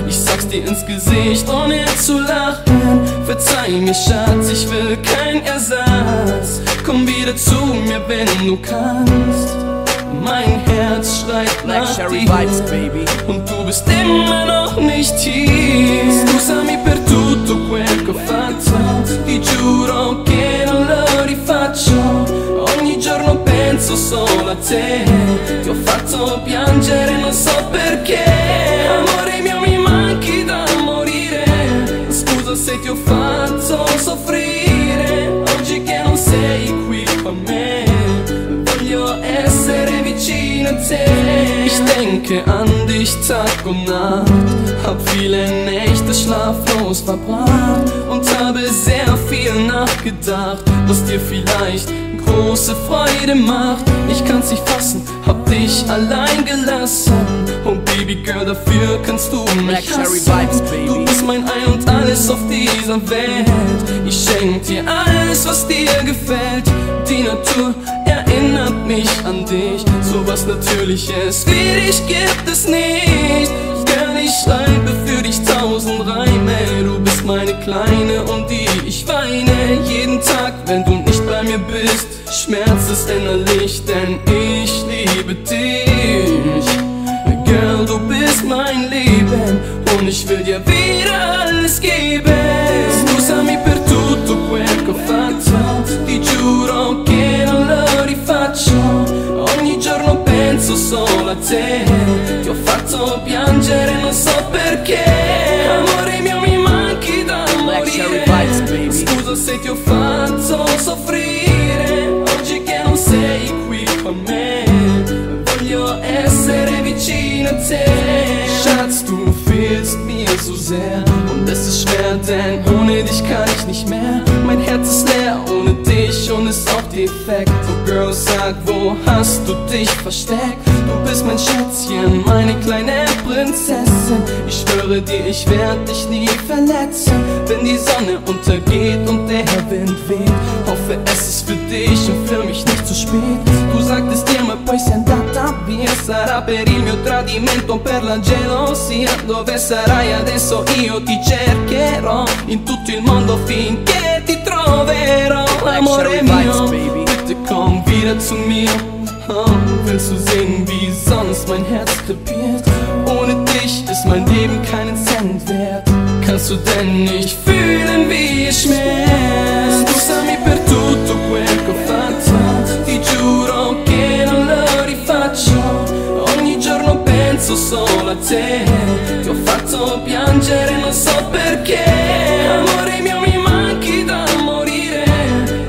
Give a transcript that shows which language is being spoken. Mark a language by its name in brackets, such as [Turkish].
[German] Ich sag's dir ins Gesicht, ohne zu lachen. Verzeih mir, Schatz, ich will keinen Ersatz. Komm wieder zu mir, wenn du kannst. Mein Herz schreit nach dir. [English] Vibes, baby. [German] Und du bist immer noch nicht hier. [Italian] Scusami per tutto quel che ho fatto. Ti giuro che non lo rifaccio. Ogni giorno penso solo a te. Ti ho fatto piangere, non so perché. Amore mio, mi manchi da morire. Scusa se ti ho fatto soffrire. Oggi che non sei qui con me, voglio essere vicino a te. [German] Ich denke an dich Tag und Nacht. Hab viele Nächte schlaflos verbracht. Und habe sehr viel nachgedacht, was dir vielleicht große Freude macht. Ich kann's nicht fassen, hab dich allein gelassen. Oh Baby Girl, dafür kannst du mich hassen. Du bist mein Ein und Alles auf dieser Welt. Ich schenk dir alles, was dir gefällt. Die Natur erinnert mich an dich. So was Natürliches wie dich gibt es nicht. Girl, ich schreibe für dich tausend Reime. Du bist meine Kleine, um die ich weine. Jeden Tag, wenn du nicht bei mir bist, Schmerz ist innerlich, denn ich liebe dich. Girl, du bist mein Leben und ich will dir wieder alles geben. [Italian] Scusami per tutto quel che ho fatto. Ti giuro che non lo rifaccio. Ogni giorno penso solo a te. Ti ho fatto piangere, non so perché. Amore mio, mi manchi da morire. Scusa se ti ho fatto soffrire. Oggi che non sei qui con me, voglio essere vicino a te. [German] Schatz, du fehlst mir so sehr. Und es ist schwer, denn ohne dich kann ich nicht mehr. Mein Herz ist leer ohne dich und ist auch defekt. So Girl, sag, wo hast du dich versteckt? Du bist mein Schätzchen, meine kleine Prinzessin. Ich schwöre dir, ich werde dich nie verletzen. Wenn die Sonne untergeht und der Wind weht, hoffe, es ist für dich und für mich nicht zu spät. Du sagtest dir, [Italian] ma poi sei andata via. Sarà per il mio tradimento, per la gelosia. Dove sarai adesso? Io ti cercherò in tutto il mondo finché ti troverò. Amore mio, [German] bitte komm wieder zu mir. Willst du sehen, wie sonst mein Herz krepiert? Ohne dich ist mein Leben keinen Cent wert. Kannst du denn nicht fühlen, wie es schmerzt? [Italian] Scusami per tutto quel che ho fatto. Ti giuro che non lo rifaccio. Ogni giorno penso solo a te. Ti ho fatto piangere, non so perché. Amore mio, mi manchi da morire.